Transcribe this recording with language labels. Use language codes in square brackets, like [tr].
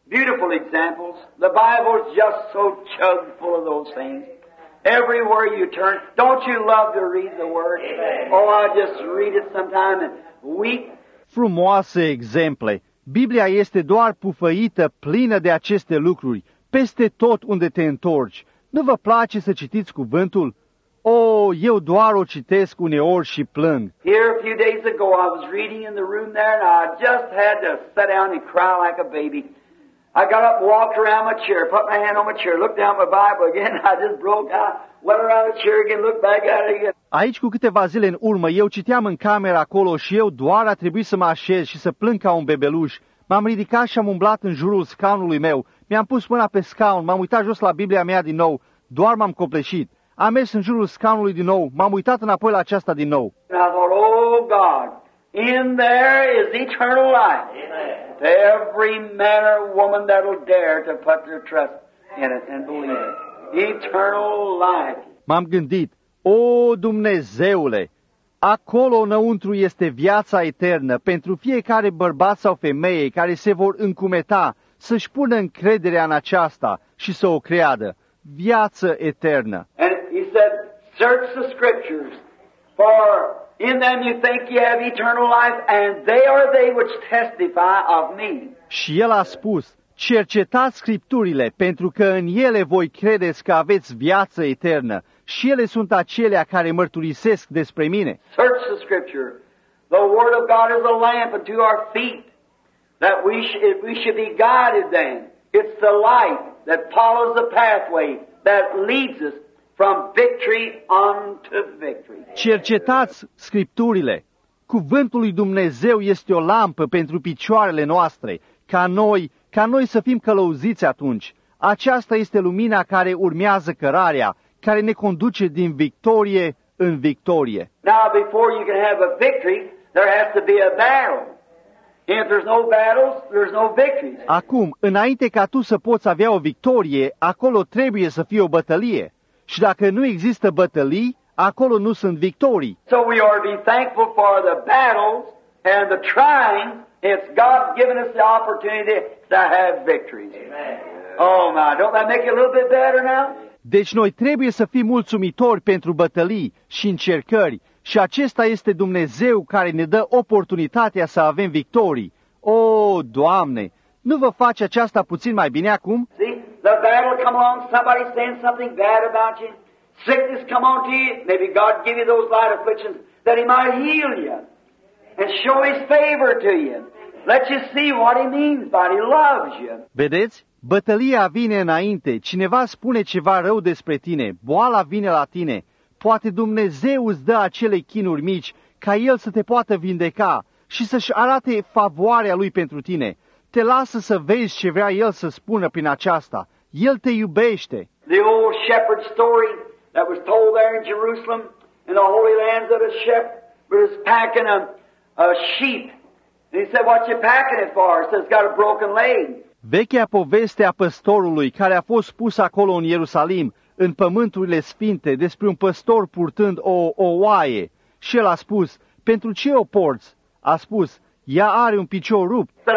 [en] Beautiful examples. The Bible is just so chock full of those things. Everywhere you turn, don't you love to read the Word? Oh, I just read it sometime and weep. [ro] Frumoase exemple. Biblia este doar pufăită, plină de aceste lucruri, peste tot unde te întorci. Nu vă place să citiți cuvântul? Oh, eu doar o citesc uneori și plâng. [en] Here a few days ago I was reading in the room there and I just had to sit down and cry like a baby. I got up, walked around my chair, put my hand on my chair, looked down my Bible again, I just broke out, went around the chair again, looked back at it again. [ro] Aici cu câteva zile în urmă eu citeam în camera acolo și eu doar a trebuit să mă așez și să plâng ca un bebeluș. M-am ridicat și am umblat în jurul scaunului meu. Mi-am pus mâna pe scaun, m-am uitat jos la Biblia mea din nou, doar m-am copleșit. Am mers în jurul scaunului din nou, m-am uitat înapoi la aceasta din nou. [en] And I thought, oh God, in there is eternal life. Amen. To every man or woman that will dare to put their trust in it and believe it. Eternal life. [ro] M-am gândit, Dumnezeule, acolo înăuntru este viața eternă pentru fiecare bărbat sau femeie care se vor încumeta să-și pună încrederea în aceasta și să o creadă. Viață eternă. [en] And he said, search the scriptures, for in them you think you have eternal life, and they are they which testify of me. [ro] Și el a spus, cercetați scripturile, pentru că în ele voi credeți că aveți viață eternă, și ele sunt acelea care mărturisesc despre mine. [en] Search the scripture. The word of God is a lamp unto our feet, that we should be guided then. It's the light that follows the pathway that leads us from victory unto victory. [ro] Cercetați scripturile. Cuvântul lui Dumnezeu este o lampă pentru picioarele noastre, ca noi să fim călăuziți atunci. Aceasta este lumina care urmează cărarea, care ne conduce din victorie în victorie. [en] Now, before you can have a victory, there has to be a battle. If there's no battles, there's no victories. [ro] Acum, înainte ca tu să poți avea o victorie, acolo trebuie să fie o bătălie. Și dacă nu există bătălii, acolo nu sunt victorii. [en] So we are to be thankful for the battles and the trying. It's God giving us the opportunity to have victories. Amen. Oh my, don't that make it a little bit better now? [ro] Deci noi trebuie să fim mulțumitori pentru bătălii și încercări. Și acesta este Dumnezeu care ne dă oportunitatea să avem victorii. O, Doamne, nu vă face aceasta puțin mai bine acum? [en] See, the battle come along, somebody saying something bad about you. Sickness come on to you. Maybe God give you those light afflictions that he might heal you. And show his favor to you. Let you see what he means by it. He loves you. [ro] Vedeți? Bătălia vine înainte. Cineva spune ceva rău despre tine. Boala vine la tine. Poate Dumnezeu îți dă acele chinuri mici ca El să te poată vindeca și să-și arate favoarea Lui pentru tine. Te lasă să vezi ce vrea El să spună prin aceasta. El te iubește. [en] The old shepherd story that was told there in Jerusalem in the holy lands of the shepherd was packing a sheep. And he said, what you packing it for? He said, it's got a broken leg. [ro] Vechea poveste a păstorului care a fost pus acolo în Ierusalim, în pământurile sfinte, despre un păstor purtând o oaie. Și el a spus, pentru ce o porți? A spus, ea are un picior rupt.